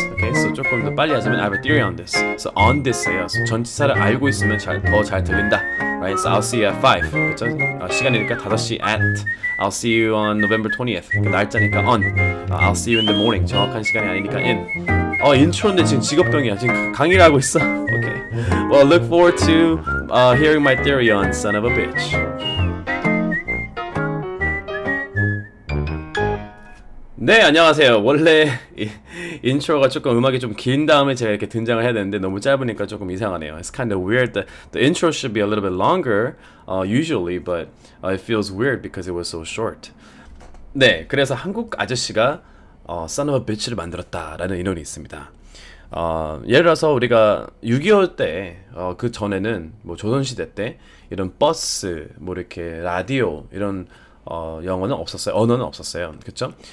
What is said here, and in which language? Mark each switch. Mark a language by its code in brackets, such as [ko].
[en] Okay, so [ko] 조금 더 빨리 하자면 [en] I have a theory on this. So on this예요. [ko] So 전치사를 알고 있으면 잘, 더 잘 들린다. [en] Right, so I'll see you at 5. [ko] 그쵸? 시간이니까 5시 [en] at. I'll see you on November 20th. [ko] 날짜니까 on. [en] I'll see you in the morning. [ko] 정확한 시간이 아니니까 in. 인트로인데 지금 직업병이야. 지금 강의를 하고 있어. Okay. [en] Well, look forward to hearing my theory on son of a bitch. [ko] Hey, 네, 안녕하세요. 원래 인트로가 조금 음악이 좀 긴 다음에 제가 이렇게 등장을 해야 되는데 너무 짧으니까 조금 이상하네요. [en] It's kind of weird that the intro should be a little bit longer usually, but it feels weird because it was so short. [ko] 네, 그래서 한국 아저씨가 son of a bitch를 만들었다라는 인원이 있습니다. 예를 들어서 우리가 6.25 때 그 전에는 뭐 조선 시대 때 이런 버스 뭐 이렇게 라디오 이런 영어는 없었어요. 언어는 없었어요. 그쵸?